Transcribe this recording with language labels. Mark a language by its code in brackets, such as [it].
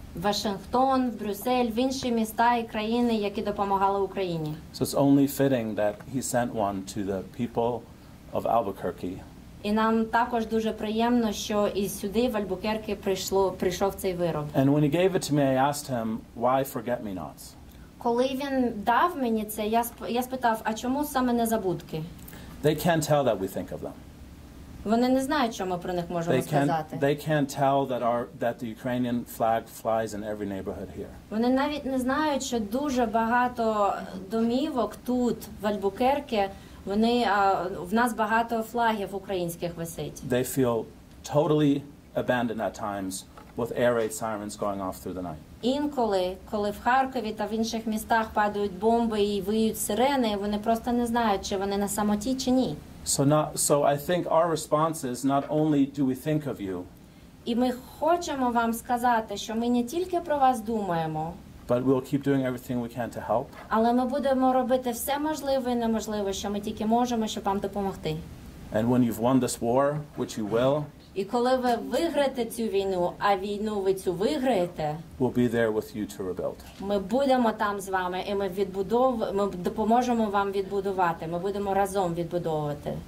[uk] Вашингтон, Брюссель, в інші міста і країни, які допомагали Україні. [en] So it's only fitting that he sent one to the people of Albuquerque. [uk] І нам також дуже приємно, що і сюди, в Альбукерке, прийшов цей вироб. [en] And when he gave it to me, I asked him, why forget-me-nots? [uk] Коли він дав мені це, я спитав, а чому саме незабудки? [en] They can't tell that we think of them. [uk] Вони не знають, що ми про них можемо сказати. [en] They can't tell that that the Ukrainian flag flies in every neighborhood here. [uk] Вони навіть не знають, що дуже багато домівок тут, в Альбукерке, Вони в нас багато флагів українських висить. [en] They feel totally abandoned at times with air raid sirens going off through the night. [uk] Інколи, коли в Харкові та в інших містах падають бомби і виють сирени, вони просто не знають, чи вони на самоті чи ні. [en] So I think our response is not only do we think of you. [uk] І ми хочемо вам сказати, що ми не тільки про вас думаємо. [en] But we'll keep doing everything we can to help. [uk] Але ми будемо робити все можливе і неможливе, що ми тільки можемо, щоб вам допомогти. [en] And when you've won this war, which you will, [uk] і коли ви виграєте цю війну, а війну ви цю виграєте, [en] we'll be there with you to rebuild. [uk] Ми будемо там з вами, і ми допоможемо вам відбудувати. Ми будемо разом відбудовувати.